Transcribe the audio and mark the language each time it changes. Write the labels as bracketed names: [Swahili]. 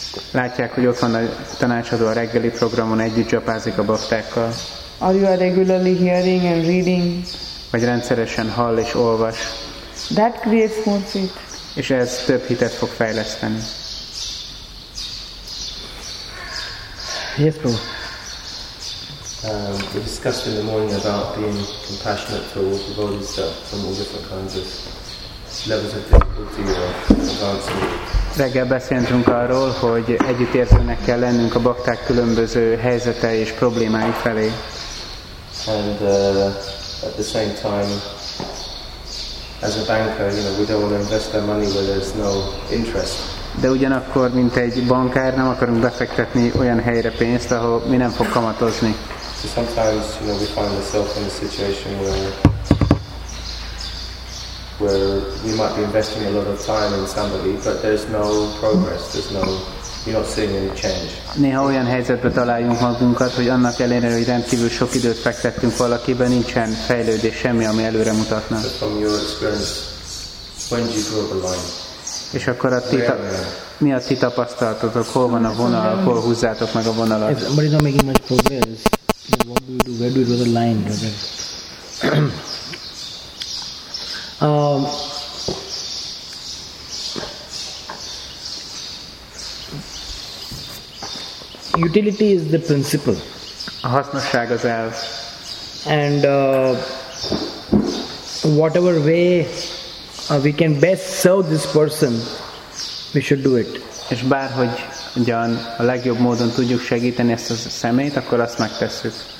[Hungarian] Látják, hogy ott van a tanácsadó a reggeli programon, együtt japázik a baktákkal. [English] Or you are regularly hearing and reading. [Hungarian] Vagy rendszeresen hall és olvas. [English] That creates more faith. [Hungarian] És ez több hitet fog fejleszteni. [English] Yes, Prabhu. We discussed in the morning about being compassionate towards the bodhisattva from all different kinds of levels of difficulty or advancement. [Hungarian] Reggel beszéltünk arról, hogy együttérzőnek kell lennünk a bakták különböző helyzetei és problémái felé. [English] And at the same time, as a banker, you know, we don't want to invest our money where there's no interest. [Hungarian] De ugyanakkor, mint egy bankár, nem akarunk befektetni olyan helyre pénzt, ahol mi nem fog kamatozni. [English] So sometimes, you know, we find ourselves in a situation where we might be investing a lot of time in somebody, but there's no progress, there's no, you're not seeing any change. [Hungarian] Néha olyan helyzetbe találjunk magunkat, hogy annak ellenére, hogy rendkívül sok időt fektettünk valakiben, nincsen fejlődés, semmi, ami előre mutatna. [English] So from your experience, when do you draw the line? [Hungarian] És akkor a ti mi a ti tapasztalatotok, hol van a vonal, hol húzzátok meg a vonalat? [English] If somebody is not making much progress, then what do you do? Where do you draw the line? Utility is the principle. [Hungarian] A hasznosság az elv. [English] And whatever way we can best serve this person, we should do it. [Hungarian] És bárhogy ugyan a legjobb módon tudjuk segíteni ezt a szemét, akkor azt megtesszük.